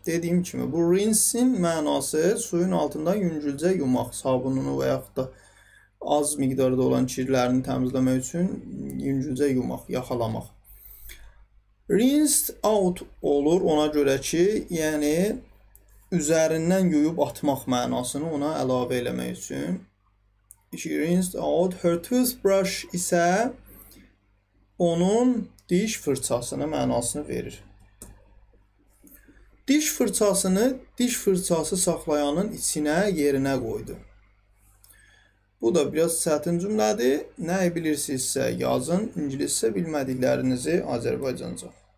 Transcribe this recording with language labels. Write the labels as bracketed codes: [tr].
[az] Dediyim kimi, bu rinsin mənası suyun altında yüngülcə yumaq, sabununu və yaxud da az miqdarda olan çirklərini təmizləmək üçün yüncüzə yumaq, yaxalamaq. Rinse out olur ona görə ki, yəni üzərindən yuyub atmaq mənasını ona əlavə eləmək üçün. [en] She rinsed out her toothbrush [az] isə onun diş fırçasını mənasını verir. Diş fırçasını diş fırçası saxlayanın içinə yerinə qoydu. Bu da biraz çətin cümlədir. Nəyi bilirsinizsə yazın, ingiliscə bilmədiklərinizi Azərbaycanca.